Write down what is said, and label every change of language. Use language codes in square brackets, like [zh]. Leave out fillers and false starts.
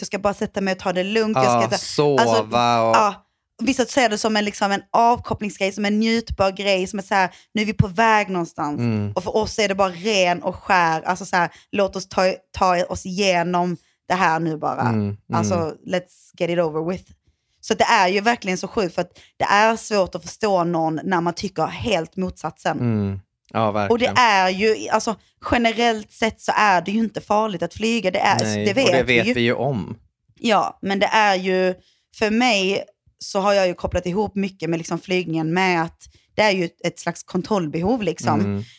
[sv] Jag ska bara sätta mig och ta det lugnt. Sova. Alltså, vissa säger det som en avkopplingsgrej, som en njutbar grej. Som är så här, nu är vi på väg någonstans. Och för oss är det bara ren och skär. Alltså så här, låt oss ta oss igenom det här nu bara. Alltså, [en] let's get it over with. [sv] Så det är ju verkligen så sjukt. För att det är svårt att förstå någon när man tycker helt motsatsen. Och det är ju, alltså generellt sett så är det ju inte farligt att flyga, det är, det vet vi ju om. Ja, men det är ju, för mig så har jag ju kopplat ihop mycket med liksom flygningen med att det är ju ett slags kontrollbehov liksom.